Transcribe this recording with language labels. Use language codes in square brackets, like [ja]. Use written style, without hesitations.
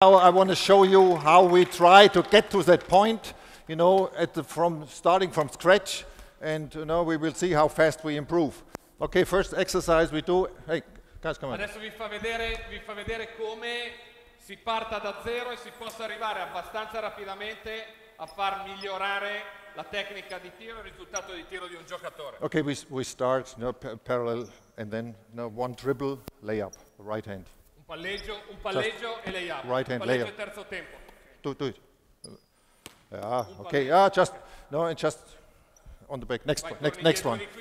[en] Now I want to show you how we try to get to that point, you know, starting from scratch, and you know, we will see how fast we improve. Okay, first exercise we do. Hey, guys, come on. [it] Adesso vi fa vedere come si parta da zero e si possa arrivare abbastanza rapidamente a far migliorare la tecnica di tiro, il risultato di tiro di un giocatore. [en] Okay, we start, you know, parallel, and then, you know, one dribble, layup, right hand. [it] Un palleggio e layup. [en] Right hand, layup. [it] e terzo tempo. [en] Do it. Just on the back. Next one.